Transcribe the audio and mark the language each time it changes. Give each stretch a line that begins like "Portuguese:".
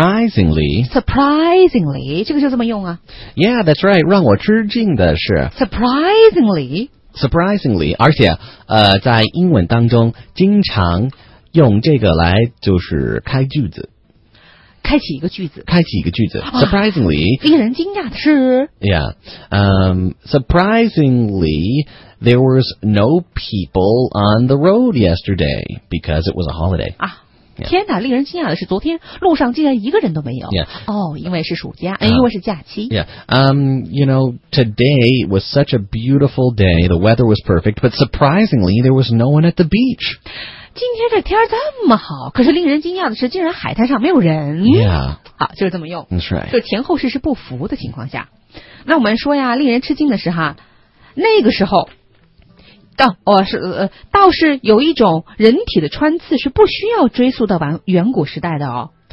English: Surprisingly
Chinese: 这个就这么用啊
English: Yeah that's right
Chinese: 让我吃惊的是
English: Surprisingly
Chinese: 而且在英文当中经常用这个来就是开句子开启一个句子
English: Surprisingly、
Chinese: 啊、令人惊讶的是
English: Yeah、Surprisingly There was no people on the road yesterday Because it was a holiday、啊 yeah.
Chinese: 天哪令人惊讶的是昨天路上竟然一个人都没有
English: yeah.
Chinese: Oh, 因为是暑假、因为是假期
English: Yeah、You know, today was such a beautiful day The weather was perfect But surprisingly, there was no one at the beach
Chinese: 今天这天这么好，可是令人惊讶的是，竟然海滩上没有人。
English: Yeah.
Chinese: 好，就是这么用。
English: That's right.
Chinese: 就前后事实不符的情况下，那我们说呀，令人吃惊的是哈，那个时候，倒是有一种人体的穿刺是不需要追溯到远古时代的哦。